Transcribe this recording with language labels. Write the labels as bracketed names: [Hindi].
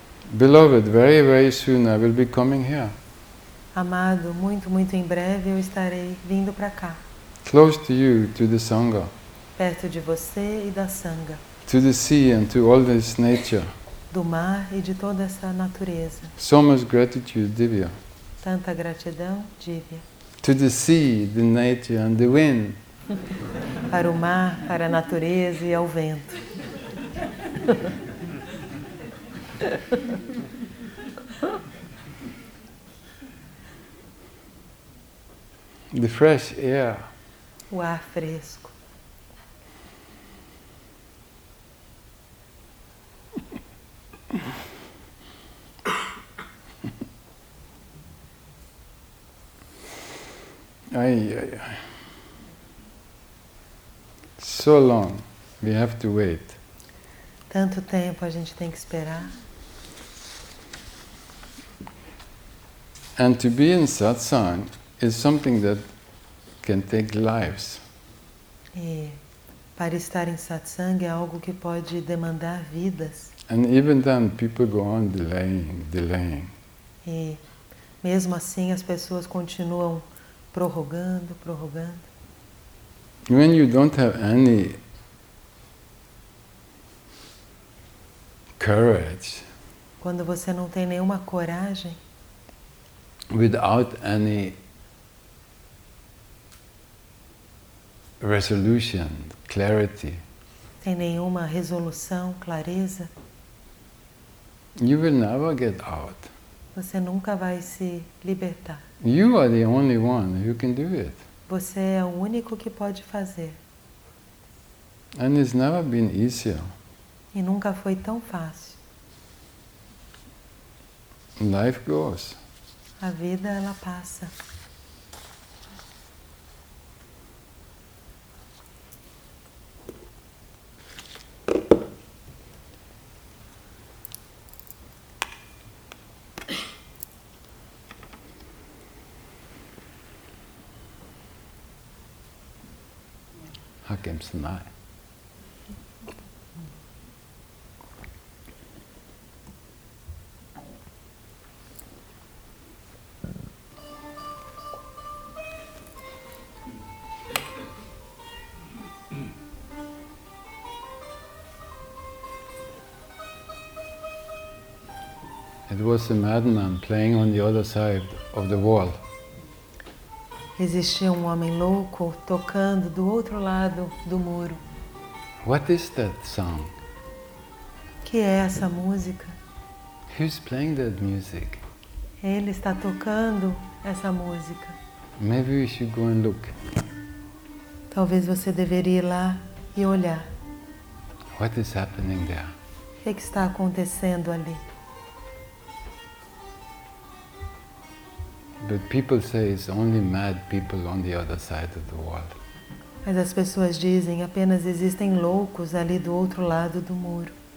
[English] Beloved, very, very soon I will be coming here. [Portuguese] Amado, muito, muito em breve eu estarei vindo para cá. [English] Close to you, to the sangha. [Portuguese] Perto de você e da sangha. [English] To the sea and to all this nature. [Portuguese] Do mar e de toda essa natureza. [English] So much gratitude, Divya. [Portuguese] Tanta gratidão, Divya. [English] To the sea, the nature and the wind. [Portuguese] Para o mar, para a natureza e ao vento. [English] The fresh air. [Portuguese] O ar fresco. Ai, ai, ai. [English] So long. We have to wait. [Portuguese] Tanto tempo a gente tem que esperar. [English] And to be in satsang is something that can take lives. [Portuguese] E para estar em satsang é algo que pode demandar vidas. [English] And even then people go on delaying. [Portuguese] E mesmo assim as pessoas continuam prorrogando. [English] When you don't have any courage. [Portuguese] Quando você não tem nenhuma coragem. [English] Without any resolution, clarity. [Portuguese] Tem nenhuma resolução, clareza. [English] You will never get out. [Portuguese] Você nunca vai se libertar. [English] You are the only one who can do it. [Portuguese] Você é o único que pode fazer. [English] And it's never been easier. [Portuguese] E nunca foi tão fácil. [English] Life goes. [Portuguese] A vida, ela passa. [English] Hakim Sinai. It was a madman playing on the other side of the wall. [Portuguese] Existia um homem louco tocando do outro lado do muro. [English] What is that song? [Portuguese] Que é essa música? [English] Who's playing that music? [Portuguese] Ele está tocando essa música. [English] Maybe we should go and look. [Portuguese] Talvez você deveria ir lá e olhar. [English] What is happening there? [Portuguese] O que está acontecendo ali? [English] But people say it's only mad people on the other side of the wall. [Portuguese] Mas as pessoas dizem apenas existem loucos ali do outro lado do muro.